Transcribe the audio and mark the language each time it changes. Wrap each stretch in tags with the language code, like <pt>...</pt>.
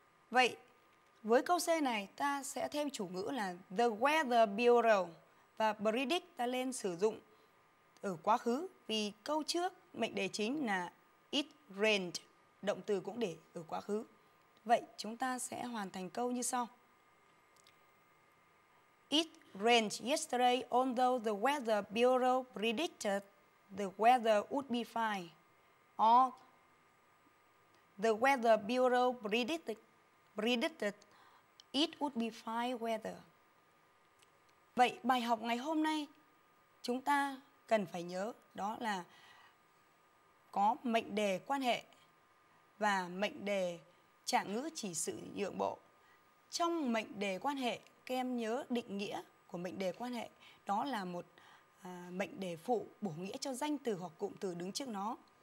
<vi>Vậy với câu C này ta sẽ thêm chủ ngữ là the Weather Bureau, và predict ta lên sử dụng ở quá khứ vì câu trước mệnh đề chính là</vi> <en>it rained,</en> <vi>động từ cũng để ở quá khứ. Vậy chúng ta sẽ hoàn thành câu như sau.</vi> <en>It rained yesterday, although the Weather Bureau predicted the weather would be fine. Or the Weather Bureau predicted it would be fine weather.</en> <vi>Vậy bài học ngày hôm nay chúng ta cần phải nhớ đó là có mệnh đề quan hệ và mệnh đề trạng ngữ chỉ sự nhượng bộ. Trong mệnh đề quan hệ, các em nhớ định nghĩa của mệnh đề quan hệ, đó là một mệnh đề phụ bổ nghĩa cho danh từ hoặc cụm từ đứng trước nó.</vi>